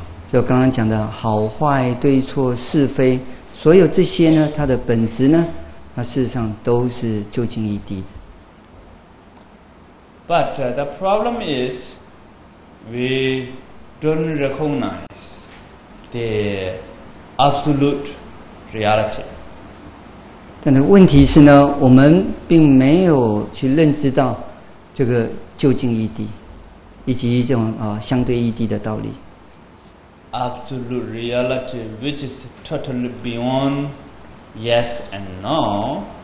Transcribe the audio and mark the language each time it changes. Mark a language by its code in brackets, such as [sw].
[zh] 就刚刚讲的好坏对错是非，所有这些呢，它的本质呢，它事实上都是究竟一地的。 [en] But the problem is, we don't recognize the absolute reality. [zh] 但是问题是呢，我们并没有去认知到这个究竟一地，以及这种相对一地的道理。 [en] absolute reality which is totally beyond yes and no.